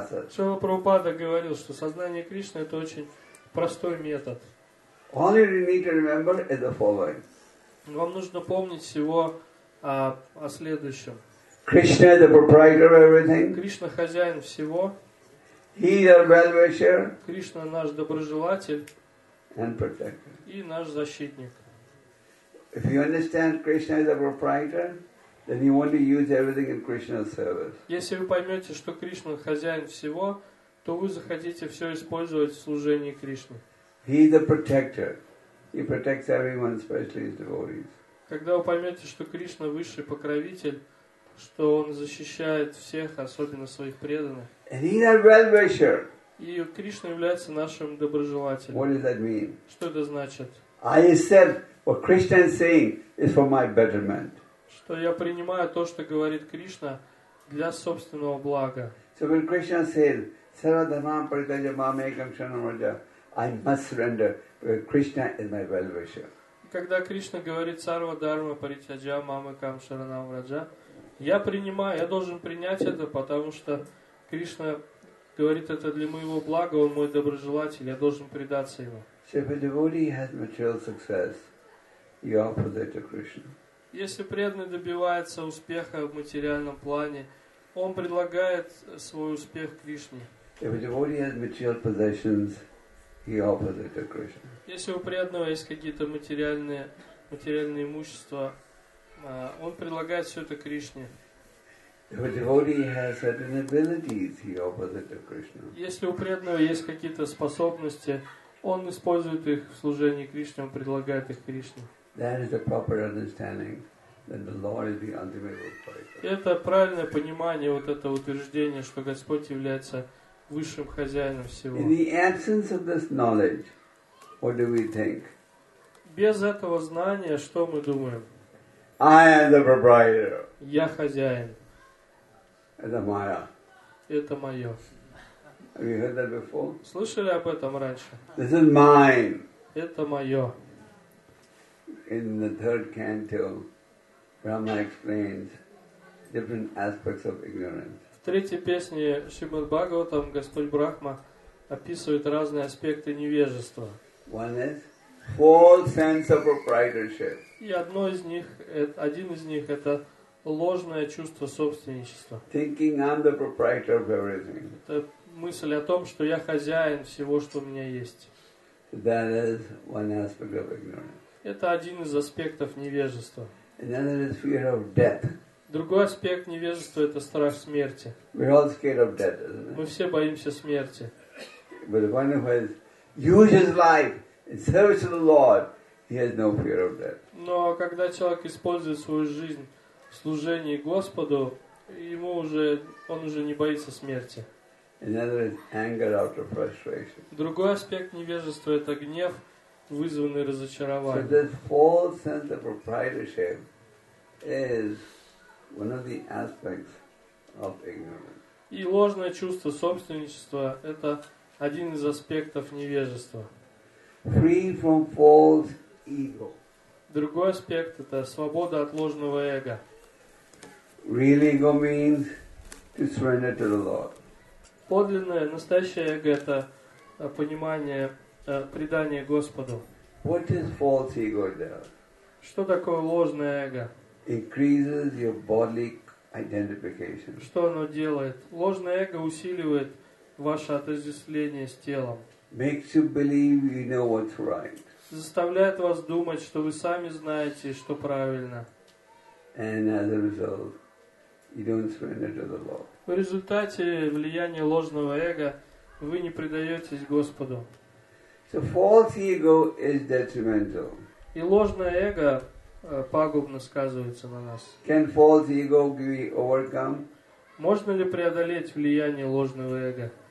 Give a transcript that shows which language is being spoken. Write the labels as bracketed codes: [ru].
[ru] Шрила Прабхупада говорил, что сознание Кришны – это очень простой метод. [en] All you need to remember is the following. [ru] Вам нужно помнить всего о следующем. [en] Krishna is the proprietor of everything. [ru] Кришна хозяин всего. [en] He is our well-wisher. [ru] Кришна наш доброжелатель. [en] And protector. [ru] И наш защитник. [en] If you understand Krishna is the proprietor, then you want to use everything in Krishna's service. [ru] Если вы поймете, что Кришна хозяин всего, то вы захотите все использовать в служении Кришне. [en] He is the protector. He protects everyone, especially his devotees. [ru] Когда вы поймете, что Кришна высший покровитель, что он защищает всех, особенно своих преданных. [en] And he is our well-wisher. [ru] И Кришна является нашим доброжелателем. [en] What does that mean? [ru] Что это значит? [en] I said what Krishna is saying is for my betterment. [ru] Что я принимаю то, что говорит Кришна, для собственного блага. [en] So when Krishna said, [sa] "Sarva dharmam paritaja mam ekam kshanam raja." [en] I must surrender. Krishna is my well-wisher. [ru] Когда Кришна говорит [sa] Сарва Дарма Паритяджа Мама Кам Шаранам Раджа, [ru] я принимаю, я должен принять это, потому что Кришна говорит это для моего блага, он мой доброжелатель, я должен предаться ему. [en] So if a devotee has material success, he offers it to Krishna. [ru] Если преданный добивается успеха в материальном плане, он предлагает свой успех Кришне. [en] If a devotee has material possessions, he offers it to Krishna. [ru] Если у преданного есть какие-то материальные имущества, он предлагает все это Кришне. [en] If a devotee has certain abilities, he offers it to Krishna. [ru] Если у преданного есть какие-то способности, он использует их в служении Кришне, он предлагает их Кришне. [en] That is the proper understanding that the Lord is the ultimate proprietor. [ru] Это правильное понимание вот этого утверждения, что Господь является высшим хозяином всего. [en] In the absence of this knowledge, what do we think? [ru] Без этого знания что мы думаем? [en] I am the proprietor. [ru] Я хозяин. Это моё. Это моё. [en] Have you heard that before? [ru] Слышали об этом раньше? [en] This is mine. [ru] Это моё. [en] In the third canto, Brahma explains different aspects of ignorance. [ru] В третьей песне Шримад Бхагаватам Господь Брахма описывает разные аспекты невежества. [en] One is false sense of proprietorship. [ru] И одно из них, один из них, это ложное чувство собственничества. [en] Thinking I'm the proprietor of everything. [ru] Это мысль о том, что я хозяин всего, что у меня есть. [en] That is one aspect of ignorance. [ru] Это один из аспектов невежества. [en] Another is fear of death. [ru] Другой аспект невежества — это страх смерти. [en] We're all scared of death, isn't it? [ru] Мы все боимся смерти. [en] But the one who has used his life and serves the Lord, he has no fear of death. [ru] Но когда человек использует свою жизнь в служении Господу, ему уже, он уже не боится смерти. [en] Another is anger out of frustration. [ru] Другой аспект невежества — это гнев, вызванный разочарованием. [en] So this false sense of proprietorship is one of the aspects of ignorance. [ru] И ложное чувство собственничества — это один из аспектов невежества. [en] Free from false ego. [ru] Другой аспект — это свобода от ложного эго. [en] Real ego means to surrender to the Lord. [ru] Подлинное, настоящее эго — это понимание, предание Господу. [en] What is false ego there? [ru] Что такое ложное эго? [en] Increases your bodily identification. [ru] Что оно делает? Ложное эго усиливает ваше отождествление с телом. [en] Makes you believe you know what's right. [ru] Заставляет вас думать, что вы сами знаете, что правильно. [en] And as a result, you don't surrender to the Lord. [ru] В результате влияния ложного эго вы не предаетесь Господу. [en] So false ego is detrimental. [ru] И ложное эго пагубно сказывается на нас. [en] Can false ego be overcome? [ru] Можно ли преодолеть влияние ложного эго?